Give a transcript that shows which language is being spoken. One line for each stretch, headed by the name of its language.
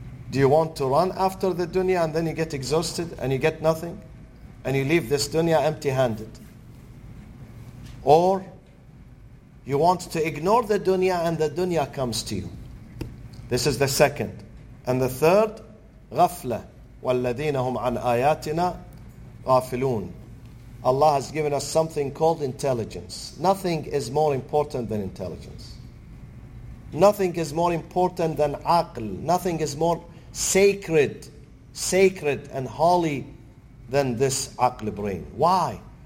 English: Do you want to run after the dunya and then you get exhausted and you get nothing and you leave this dunya empty-handed? Or you want to ignore the dunya and the dunya comes to you? This is the second. And the third,
Arabic: غَفْلَةً وَالَّذِينَ هُمْ عَنْ آيَاتِنَا غَافِلُونَ.
English: Allah has given us something called intelligence. Nothing is more important than intelligence. Nothing is more important than aql. Nothing is more sacred and holy than this aql brain. Why?